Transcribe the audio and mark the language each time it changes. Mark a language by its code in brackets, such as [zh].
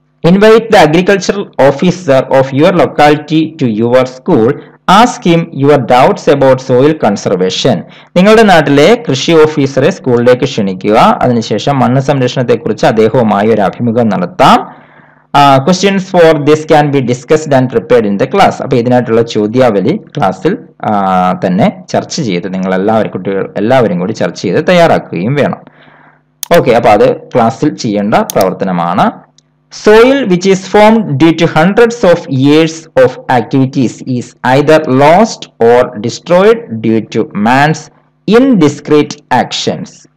[en] Invite the agricultural officer of your locality to your school, ask him your doubts about soil conservation. [ml] നിങ്ങളുടെ നാട്ടിലെ കൃഷി ഓഫീസറെ സ്കൂളിലേക്ക് ക്ഷണിക്കുക, അതിനുശേഷം മണ്ണ് സംരക്ഷണത്തെ കുറിച്ച് അദ്ദേഹവുമായി ഒരു അഭിമുഖം നടത്താം. [en] Questions for this can be discussed and prepared in the class. [ml] അപ്പൊ ഇതിനായിട്ടുള്ള ചോദ്യാവലി ക്ലാസ്സിൽ തന്നെ ചർച്ച ചെയ്ത് നിങ്ങൾ എല്ലാവരും കൂടി ചർച്ച ചെയ്ത് തയ്യാറാക്കുകയും വേണം. ഓക്കെ, അപ്പൊ അത് ക്ലാസ്സിൽ ചെയ്യേണ്ട പ്രവർത്തനമാണ്. [en] Soil which is formed due to hundreds of years of activities is either lost or destroyed due to man's indiscreet actions.